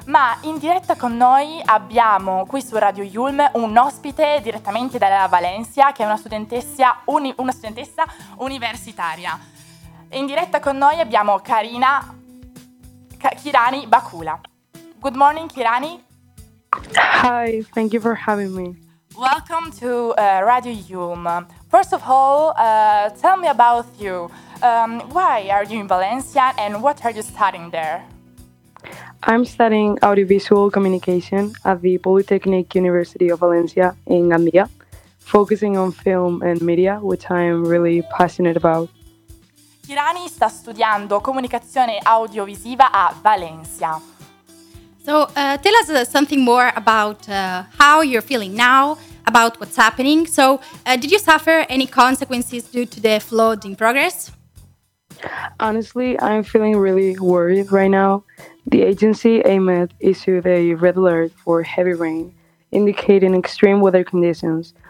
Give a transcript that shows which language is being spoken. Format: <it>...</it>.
<it>Ma in diretta con noi abbiamo qui su Radio Yulm un ospite direttamente dalla Valencia, che è una studentessa universitaria. In diretta con noi abbiamo Kirani Bakula.</it> <en>Good morning, Kirani. Hi, thank you for having me. Welcome to Radio Yulm. First of all, tell me about you. Why are you in Valencia and what are you studying there? I'm studying audiovisual communication at the Polytechnic University of Valencia in Gandia, focusing on film and media, which I am really passionate about.</en> <it>Kirani sta studiando comunicazione audiovisiva a Valencia.</it> <en>So tell us something more about how you're feeling now, about what's happening. So did you suffer any consequences due to the flood in progress? Honestly, I'm feeling really worried right now. The agency AMED issued a red alert for heavy rain, indicating extreme weather conditions.</en>